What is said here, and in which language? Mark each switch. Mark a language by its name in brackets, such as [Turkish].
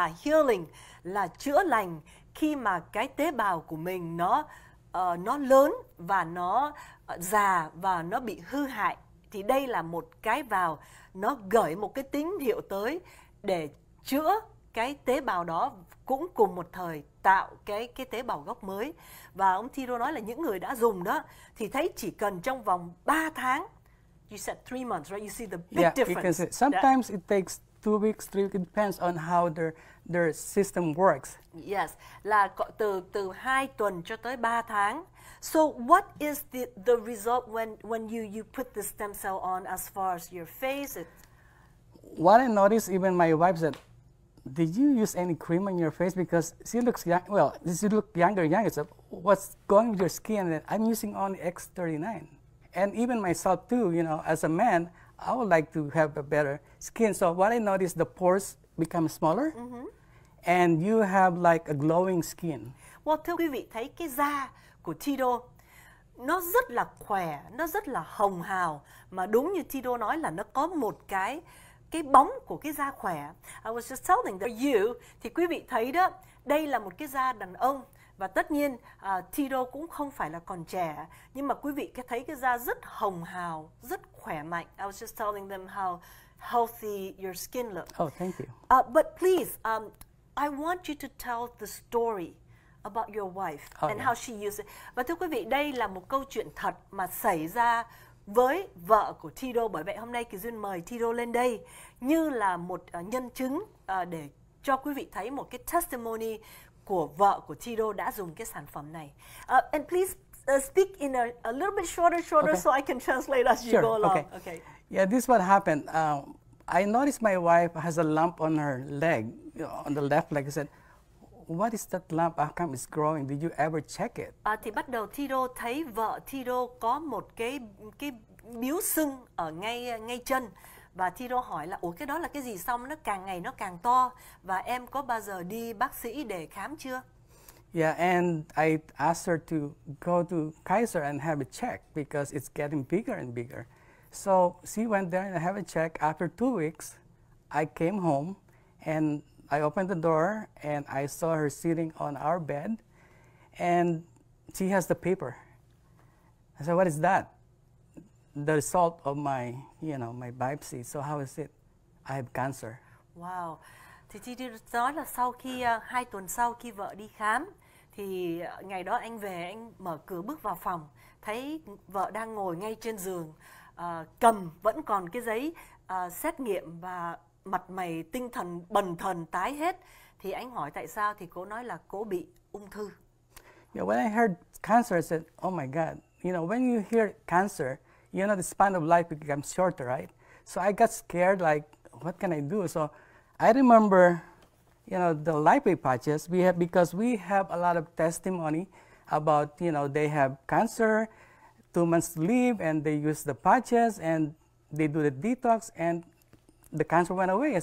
[Vietnamese] Healing là chữa lành khi mà cái tế bào của mình nó lớn và nó già và nó bị hư hại, thì đây là một cái vào nó gửi một cái tín hiệu tới để chữa cái tế bào đó, cũng cùng một thời tạo cái tế bào gốc mới. Và ông Thiro nói là những người đã dùng đó thì thấy chỉ cần trong vòng 3 tháng, [English] you said 3 months, right? You see the big difference. Yeah, sometimes it takes 2 weeks, 3 weeks, it depends on how their system works. Yes, [Vietnamese] là từ 2 tuần cho tới 3 tháng. [English] So what is the result when you put the stem cell on as far as your face? What I noticed, even my wife said, did you use any cream on your face? Because she looks young, well, she looks younger and younger. So what's going with your skin? I'm using only X39. And even myself too, you know, as a man, I would like to have a better skin. So what I noticed, the pores become smaller, and you have like a glowing skin. Well, [Vietnamese] thưa quý vị, thấy cái da của Tito, nó rất là khỏe, nó rất là hồng hào. Mà đúng như Tito nói là nó có một cái bóng của cái da khỏe. [English] I was just telling that you, [Vietnamese] thì quý vị thấy đó, đây là một cái da đàn ông. Và tất nhiên, Tito cũng không phải là còn trẻ. Nhưng mà quý vị thấy cái da rất hồng hào, rất khỏe mạnh. [English] I was just telling them how healthy your skin looks. Oh, thank you. But please, I want you to tell the story about your wife how she uses it. [Vietnamese] Và thưa quý vị, đây là một câu chuyện thật mà xảy ra với vợ của Tito. Bởi vậy hôm nay Kỳ Duyên mời Tito lên đây như là một nhân chứng để cho quý vị thấy một cái testimony của vợ của Tito đã dùng cái sản phẩm này. [English] And please speak in a little bit shorter okay. So I can translate as sure. You go along. Okay. Okay. Yeah, this is what happened. I noticed my wife has a lump on her leg, on the left leg. I said, what is that lump? How come it's growing? Did you ever check it? [Vietnamese] Thì bắt đầu Tito thấy vợ Tito có một cái bíu sưng ở ngay chân. Và Tito hỏi là, ủa cái đó là cái gì? Xong nó càng ngày nó càng to. Và em có bao giờ đi bác sĩ để khám chưa? [English] Yeah, and I asked her to go to Kaiser and have a check because it's getting bigger and bigger. So she went there and I have a check. After 2 weeks, I came home and I opened the door and I saw her sitting on our bed and she has the paper. I said, what is that? The result of my, you know, my biopsy. So how is it? I have cancer. Wow. [Vietnamese] Thì chị nói là sau khi 2 tuần sau khi vợ đi khám, thì ngày đó anh về, anh mở cửa bước vào phòng, thấy vợ đang ngồi ngay trên giường, cầm vẫn còn cái giấy xét nghiệm và mặt mày tinh thần bần thần tái hết. Thì anh hỏi tại sao, thì cô nói là cô bị ung thư. [English] Yeah, when I heard cancer, I said, oh my God. You know, when you hear cancer, you know, the span of life becomes shorter, right? So I got scared, like, what can I do? So I remember, you know, the lipid patches we have, because we have a lot of testimony about, you know, they have cancer, 2 months to live, and they use the patches, and they do the detox, and the cancer went away.